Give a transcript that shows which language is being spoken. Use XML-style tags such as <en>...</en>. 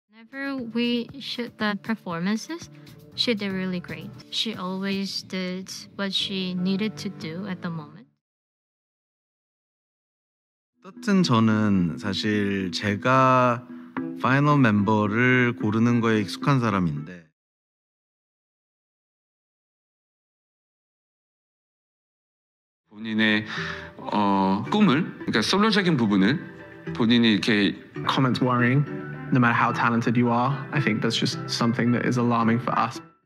<en>Whenever we shoot the performances, she did really great. She always did what she needed to do at the moment.</en> <ko>하여튼 저는 사실 제가 파이널 멤버를 고르는 거에 익숙한 사람인데 본인의 꿈을, 그러니까 솔로적인 부분을 본인이 이렇게</ko> <en>comments worrying. No matter how talented you are, I think that's just something that is alarming for us.</en>